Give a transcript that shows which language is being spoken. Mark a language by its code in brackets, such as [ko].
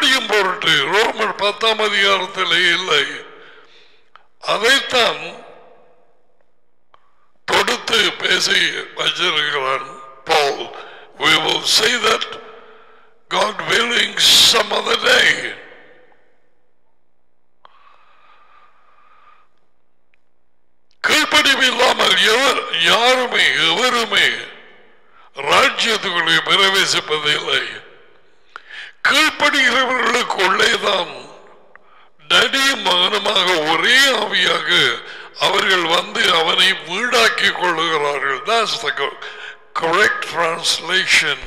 [ta] பொருட்டு ரோமர் பத்தாம் அதிகாரத்திலே இல்லை, அதைத்தான் தொடுத்து பேசி வச்சிருக்கிறான் பால். [en] We will see that, God willing, some other day. [ta] கீழ்ப்படிவு இல்லாமல் யாருமே எவருமே ராஜ்யத்துக்குள்ளே பிரவேசிப்பதில்லை. கீழ்ப்படுகிறவர்களுக்குள்ளேதான் டடியும் மகனுமாக ஒரே ஆவியாக அவர்கள் வந்து அவனை வீடாக்கிக் கொள்ளுகிறார்கள். [en] That's the correct translation.